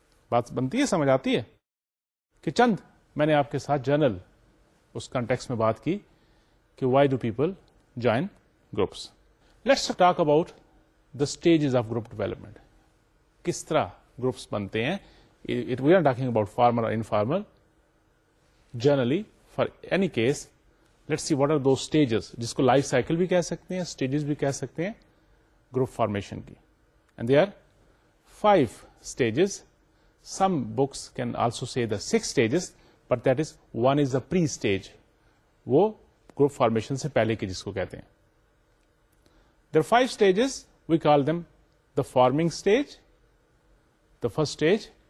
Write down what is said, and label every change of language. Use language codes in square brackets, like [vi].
[ur] بات بنتی ہے سمجھ آتی ہے کہ چند میں نے آپ کے ساتھ جنرل اس کانٹیکس میں بات کی کہ [en] why do people join groups. Let's talk about the stages of group development. [ur] کس طرح groups بنتے ہیں [en] we are talking about formal or informal. Generally, for any case, let's see what are those stages. [ur] جس کو life cycle بھی کہہ سکتے ہیں stages بھی کہہ سکتے ہیں group formation کی. [en] And there are five stages. Some books can also say the six stages, but that is, one is the pre-stage. [ur] Wo group formation se pehle ke jisko kehte hain. [en] There are five stages. We call them the forming stage, the first stage.